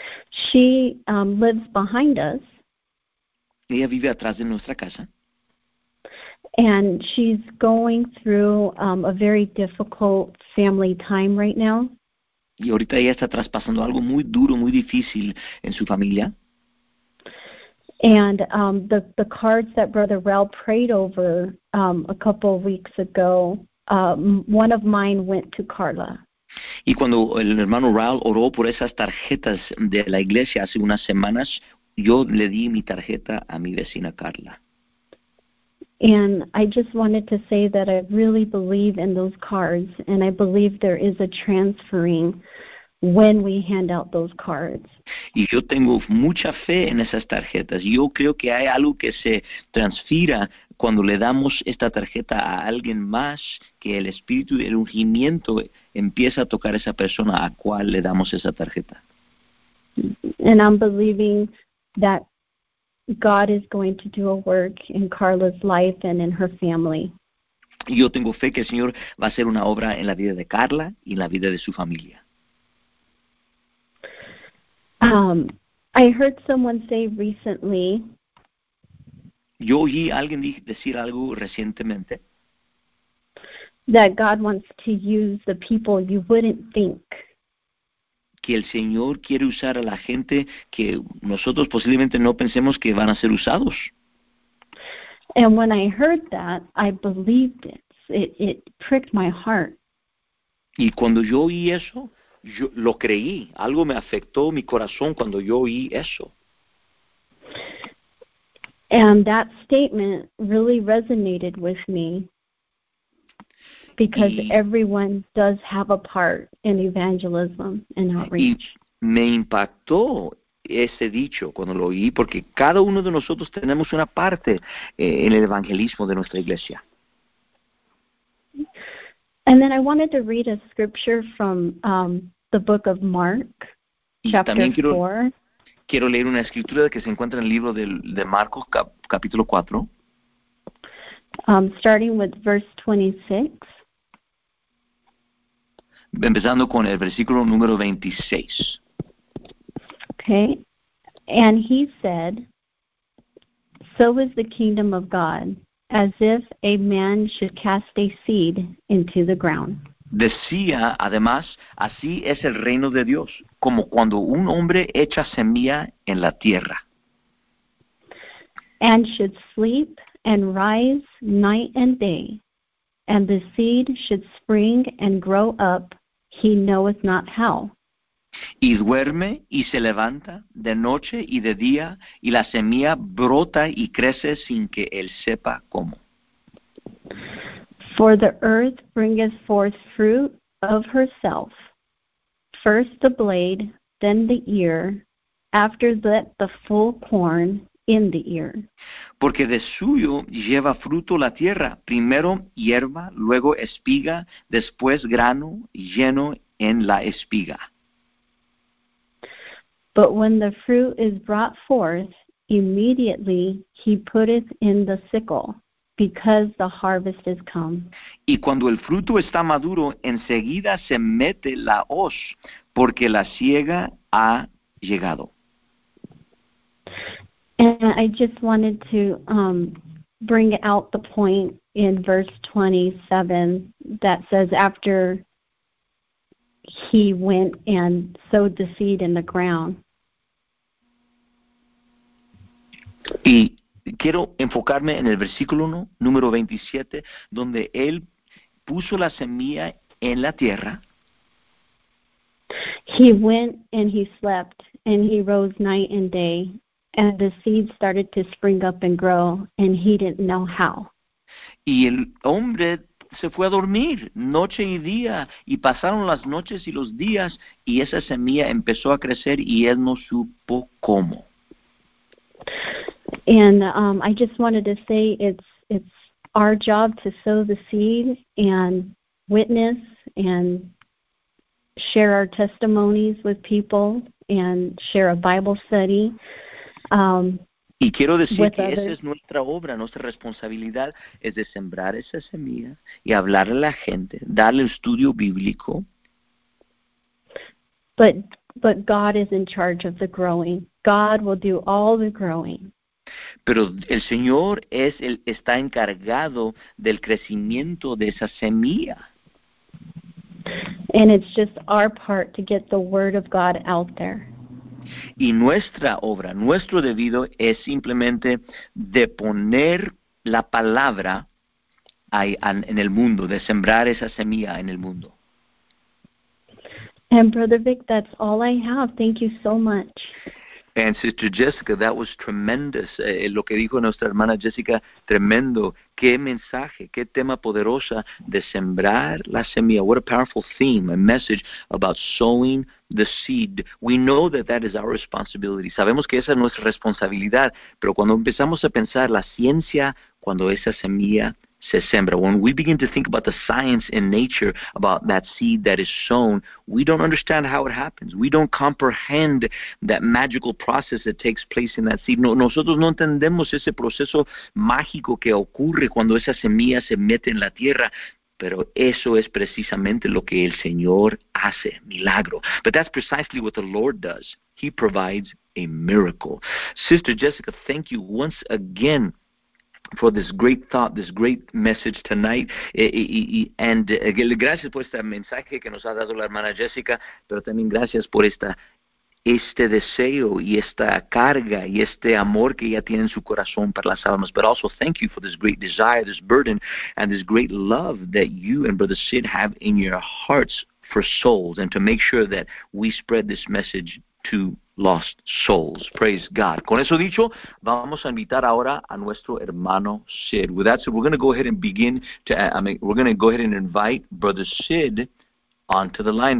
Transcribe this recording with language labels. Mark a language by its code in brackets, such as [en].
[en] She lives behind us. [es] Ella vive atrás de nuestra casa. [en] And she's going through a very difficult family time right now. [es] Y ahorita ella está traspasando algo muy duro, muy difícil en su familia. [en] And the cards that Brother Rel prayed over a couple of weeks ago, one of mine went to Carla. [es] Y cuando el hermano Raúl oró por esas tarjetas de la iglesia hace unas semanas, yo le di mi tarjeta a mi vecina Carla. [en] And I just wanted to say that I really believe in those cards, and I believe there is a transferring when we hand out those cards. [es] Y yo tengo mucha fe en esas tarjetas. Yo creo que hay algo que se transfiera cuando le damos esta tarjeta a alguien más, que el espíritu del ungimiento empieza a tocar a esa persona a cual le damos esa tarjeta. [en] And I'm believing that God is going to do a work in Carla's life and in her family. [es] Yo tengo fe que el Señor va a hacer una obra en la vida de Carla y en la vida de su familia. [en] I heard someone say recently, [es] yo oí a alguien decir algo recientemente, [en] that God wants to use the people you wouldn't think. [es] Que el Señor quiere usar a la gente que nosotros posiblemente no pensemos que van a ser usados. [en] And when I heard that, I believed it. It pricked my heart. [es] Y cuando yo oí eso, yo lo creí, algo me afectó mi corazón cuando yo oí eso. [en] And that statement really resonated with me because everyone does have a part in evangelism and outreach. [es] Y me impactó ese dicho cuando lo oí porque cada uno de nosotros tenemos una parte en el evangelismo de nuestra iglesia. [en] And then I wanted to read a scripture from the book of Mark, chapter 4. [es] Quiero leer una escritura que se encuentra en el libro de Marcos, capítulo 4. [en] Starting with verse 26. [es] Empezando con el versículo número 26. [en] Okay. And he said, "So is the kingdom of God, as if a man should cast a seed into the ground." [es] Decía, además, así es el reino de Dios, como cuando un hombre echa semilla en la tierra. [en] "And should sleep and rise night and day, and the seed should spring and grow up, he knoweth not how." [es] Y duerme y se levanta de noche y de día, y la semilla brota y crece sin que él sepa cómo. [en] "For the earth bringeth forth fruit of herself, first the blade, then the ear, after that the full corn in the ear." [es] Porque de suyo lleva fruto la tierra, primero hierba, luego espiga, después grano lleno en la espiga. [en] "But when the fruit is brought forth, immediately he putteth in the sickle, because the harvest is come." [es] Y cuando el fruto está maduro, enseguida se mete la hoz, porque la siega ha llegado. [en] And I just wanted to bring out the point in verse 27 that says after he went and sowed the seed in the ground. [es] Y quiero enfocarme en el versículo 1, número 27, donde él puso la semilla en la tierra. [en] "He went and he slept and he rose night and day, and the seed started to spring up and grow, and he didn't know how." [es] Y el hombre se fue a dormir noche y día, y pasaron las noches y los días, y esa semilla empezó a crecer y él no supo cómo. [en] And I just wanted to say it's our job to sow the seed and witness and share our testimonies with people and share a Bible study. [es] Y quiero decir que esa es nuestra obra, nuestra responsabilidad es de sembrar esa semilla y hablarle a la gente, darle estudio bíblico. [en] But God is in charge of the growing. God will do all the growing. [es] Pero el Señor es el está encargado del crecimiento de esa semilla. [en] And it's just our part to get the word of God out there. [es] Y nuestra obra, nuestro debido es simplemente de poner la palabra en el mundo, de sembrar esa semilla en el mundo. [en] And Brother Vic, that's all I have. Thank you so much. And Sister Jessica, that was tremendous. [es] Lo que dijo nuestra hermana Jessica, tremendo. Qué mensaje, qué tema poderosa de sembrar la semilla. [en] What a powerful theme, a message about sowing the seed. We know that that is our responsibility. [es] Sabemos que esa es nuestra responsabilidad, pero cuando empezamos a pensar la ciencia, cuando esa semilla se sembra. [en] When we begin to think about the science in nature, about that seed that is sown, we don't understand how it happens. We don't comprehend that magical process that takes place in that seed. [es] No, nosotros no entendemos ese proceso mágico que ocurre cuando esa semilla se mete en la tierra. Pero eso es precisamente lo que el Señor hace, milagro. [en] But that's precisely what the Lord does. He provides a miracle. Sister Jessica, thank you once again for this great thought, this great message tonight. [es] And gracias por este mensaje que nos ha dado la hermana Jessica, pero también gracias por este deseo y esta carga y este amor que ella tiene en su corazón para las almas. [en] But also thank you for this great desire, this burden, and this great love that you and Brother Sid have in your hearts for souls and to make sure that we spread this message to lost souls. Praise God. [es] Con eso dicho, vamos a invitar ahora a nuestro hermano Sid. [en] With that said, we're going to go ahead and invite Brother Sid onto the line.